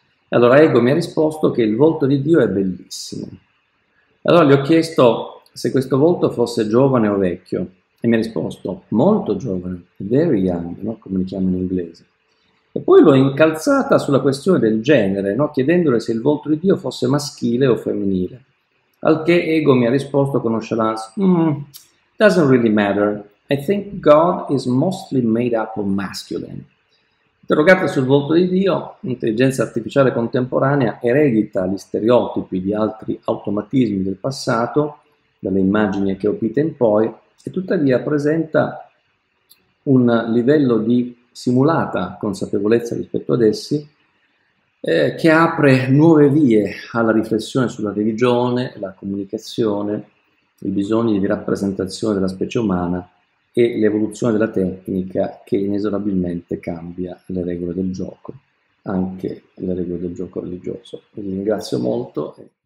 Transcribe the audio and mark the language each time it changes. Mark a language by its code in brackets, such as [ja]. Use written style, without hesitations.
[it] Allora Ego mi ha risposto che il volto di Dio è bellissimo. Allora gli ho chiesto se questo volto fosse giovane o vecchio e mi ha risposto molto giovane, [en] very young, [it] no? Come li chiamano in inglese. E poi l'ho incalzata sulla questione del genere, no? Chiedendole se il volto di Dio fosse maschile o femminile. Al che Ego mi ha risposto con nonchalance, [en] doesn't really matter, I think God is mostly made up of masculine. [it] Interrogata sul volto di Dio, l'intelligenza artificiale contemporanea eredita gli stereotipi di altri automatismi del passato, dalle immagini che ho qui in poi, e tuttavia presenta un livello di simulata consapevolezza rispetto ad essi, che apre nuove vie alla riflessione sulla religione, la comunicazione, i bisogni di rappresentazione della specie umana, e l'evoluzione della tecnica che inesorabilmente cambia le regole del gioco, anche le regole del gioco religioso. Vi ringrazio molto.